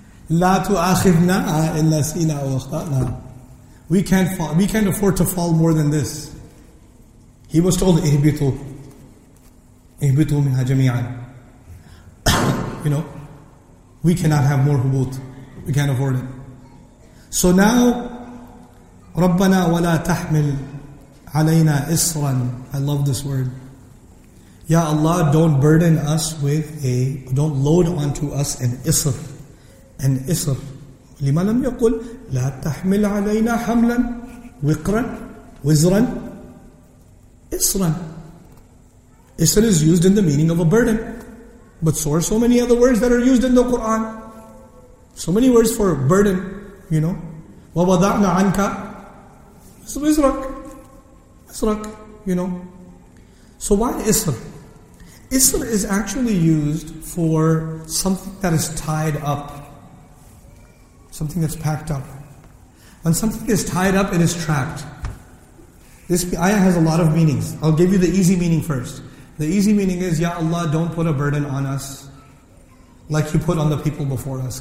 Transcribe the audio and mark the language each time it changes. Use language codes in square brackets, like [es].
[ar] لَا تُعَخِذْنَا إِلَّا سِنَا وَخْطَأْنَا. [en] We can't afford to fall more than this. He was told, [ar] اِهْبِطُوا. اِهْبِطُوا مِنْهَا جَمِيعًا. [en] You know, we cannot have more hubut. We can't afford it. So now, [ar] رَبَّنَا وَلَا تَحْمِلْ عَلَيْنَا إِصْرًا. [en] I love this word. Ya Allah, don't burden us with a... Don't load onto us an isr. An isr. [ar] لِمَا لَمْ يَقُلْ لَا تَحْمِلْ عَلَيْنَا حَمْلًا وِقْرًا وِزْرًا إِصْرًا. [en] Isr is used in the meaning of a burden. But so are so many other words that are used in the Qur'an. So many words for burden, you know. [ar] وَوَضَعْنَا عَنْكَ وِزْرَكْ إِصْرَكْ, [en] you know. So why isr? Isr is actually used for something that is tied up. Something that's packed up. When something is tied up, it is trapped. This ayah has a lot of meanings. I'll give you the easy meaning first. The easy meaning is, Ya Allah, don't put a burden on us like you put on the people before us.